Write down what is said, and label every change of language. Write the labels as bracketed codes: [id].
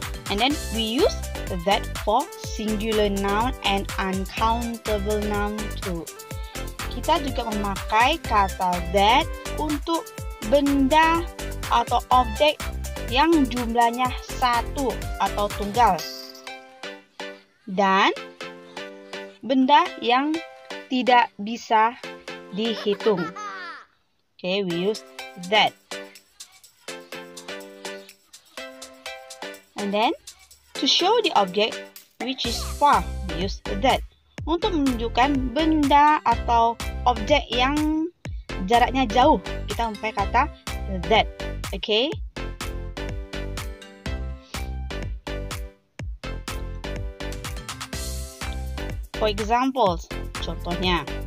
[en] And then we use that for singular noun and uncountable noun too. [id] Kita juga memakai kata that untuk benda atau objek yang jumlahnya satu atau tunggal. Dan benda yang tidak bisa dihitung. [en] Okay, we use that. And then, to show the object which is far, we use that. [id] Untuk menunjukkan benda atau objek yang jaraknya jauh, kita memakai kata that. Okay? [en] For examples, [id] contohnya.